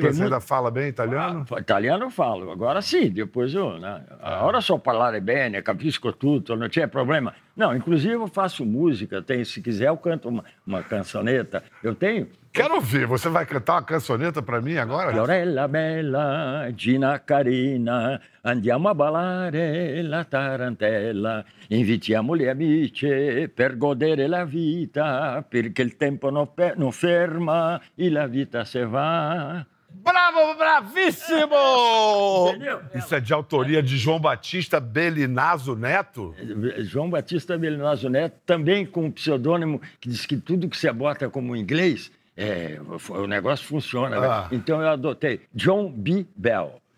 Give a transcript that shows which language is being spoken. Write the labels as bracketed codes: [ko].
[pt] Você ainda fala bem italiano? Italiano eu falo. Agora sim, depois eu... Né? Agora só falar bem, capisco tudo, não tinha problema. Não, inclusive eu faço música. Se quiser, eu canto uma cançoneta. Eu tenho... Quero ouvir. Você vai cantar uma cançoneta para mim agora? [it] Fiorella bella, Gina Carina, andiamo a ballare la tarantella, invitiamo le amiche per godere la vita, perché il tempo non ferma e la vita se va. [pt] Bravo, bravíssimo! Isso é de autoria de João Batista Belinazo Neto? João Batista Belinazo Neto, também com o pseudônimo que diz que tudo que você bota como inglês... o negócio funciona. Ah. Então eu adotei John B. Bell.